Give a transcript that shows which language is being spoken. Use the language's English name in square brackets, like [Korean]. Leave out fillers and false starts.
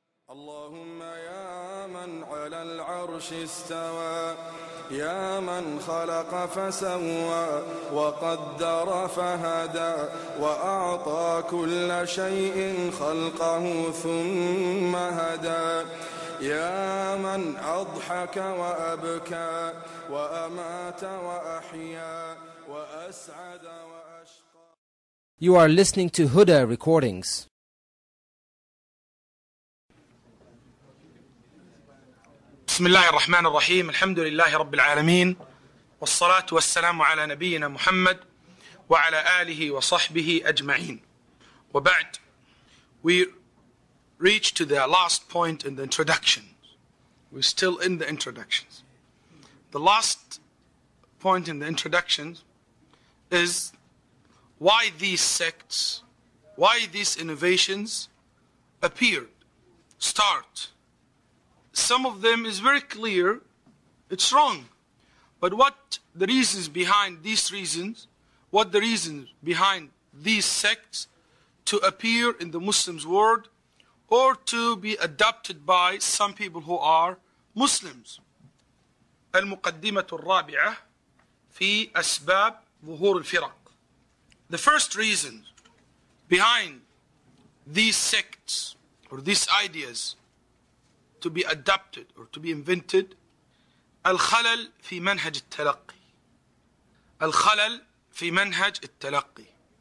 [Arabic] اللهم يا من على العرش استوى يا من خلق فسوى وقدر فهدى وأعطى كل شيء خلقه ثم هدى يا من أضحك وأبكى وأمات وأحيا وأسعد وأشقى. [English] You are listening to Huda Recordings. [Arabic] بسم الله الرحمن الرحيم الحمد لله رب العالمين والصلاة والسلام على نبينا محمد وعلى آله وصحبه أجمعين وبعد. [English] We reach to the last point in the introduction. We're still in the introductions. The last point in the introduction is why these sects, why these innovations appeared, start. Some of them is very clear, it's wrong. But what the reasons behind these reasons, what the reasons behind these sects to appear in the Muslims' world or to be adopted by some people who are Muslims? [Arabic] المقدمة الرابعة في أسباب ظهور الفرق. [English] The first reason behind these sects or these ideas to be adapted or to be invented, [Arabic] الخلل في منهج التلقي. الخلل في منهج التلقي.